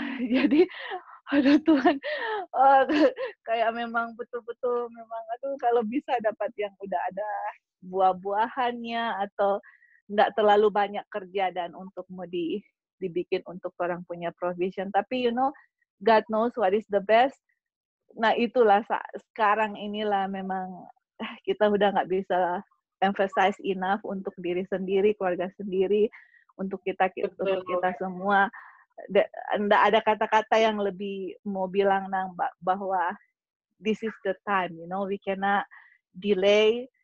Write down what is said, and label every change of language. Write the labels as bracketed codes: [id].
[id] Jadi aduh Tuhan, kayak memang betul-betul memang aduh kalau bisa dapat yang udah ada buah-buahannya atau nggak terlalu banyak kerja dan untuk mau dibikin untuk orang punya provision. [en] Tapi you know, God knows what is the best. [id] Nah itulah sekarang inilah memang kita udah gak bisa [en] emphasize enough [id] untuk diri sendiri, keluarga sendiri, untuk kita semua. Nggak ada kata-kata yang lebih mau bilang nang bahwa [en] this is the time, you know, we cannot delay.